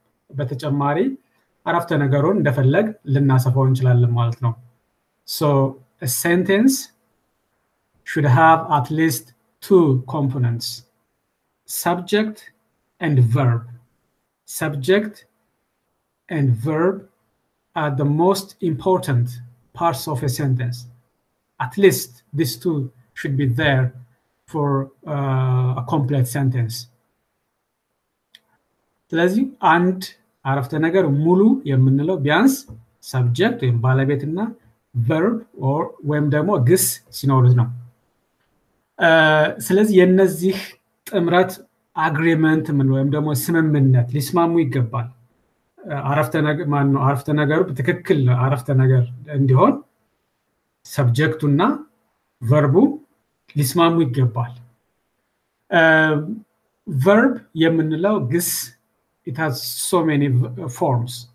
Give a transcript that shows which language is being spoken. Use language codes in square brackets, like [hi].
[am] በተጨማሪ አረፍተ ነገሩን እንደፈለግ ልናሰፋው እንችላለን ማለት ነው። [en] So a sentence should have at least two components, subject and verb. Subject and verb are the most important parts of a sentence. At least these two should be there for a complete sentence. [am] ስለዚህ አንድ አረፍተ ነገር ሙሉ የምንለው ቢያንስ ሰብጀክት ወይም ባለቤትና verb ወይም ደግሞ ግስ ሲኖሩት ነው። ስለዚህ የነዚህ ጥምረት አግሪመንት ምን ወይም ደግሞ ስምምነት ሊስማሙ ይገባል። አረፍተ ነገሩ በትክክል አረፍተ ነገር እንዲሆን ሰብጀክቱና verbው ሊስማሙ ይገባል። verb የምንለው ግስ [en] it has so many forms.